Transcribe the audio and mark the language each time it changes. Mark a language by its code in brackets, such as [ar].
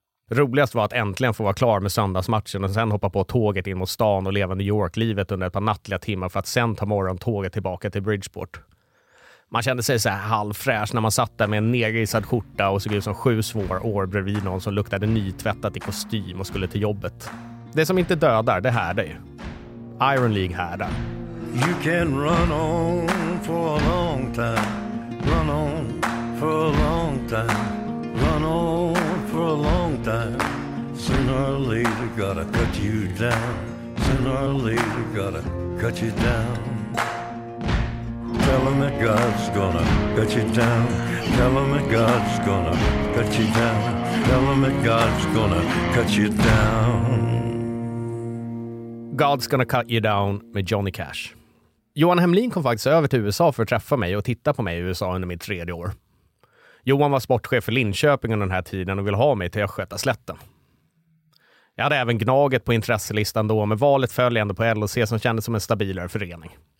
[sv] Roligast var att äntligen få vara klar med söndagsmatchen och sen hoppa på tåget in mot stan och leva New York-livet under ett par nattliga timmar för att sen ta morgontåget tillbaka till Bridgeport. Man kände sig så här halvfräsch när man satt där med en nergrisad skjorta och såg ut som 7 svåra år bredvid någon som luktade nytvättat i kostym och skulle till jobbet. Det som inte dödar, det härdar ju. Iron League härdar. [en] You can run on for a long time. Run on for a long time. Run on for a long time. Sooner or later gotta cut you down. Sooner or later gotta cut you down. Tell 'em that God's gonna cut you down. Tell 'em that God's gonna cut you down. Tell 'em that God's gonna cut you down. God's gonna cut you down [sv] med [en] Johnny Cash. [sv] Johan Hemlin kom faktiskt över till USA för att träffa mig och titta på mig i USA under mitt tredje år. Johan var sportchef för Linköping under den här tiden och ville ha mig till Östgötaslätten. Jag hade även Gnaget på intresselistan då, men valet föll ändå på LHC som kändes som en stabilare förening.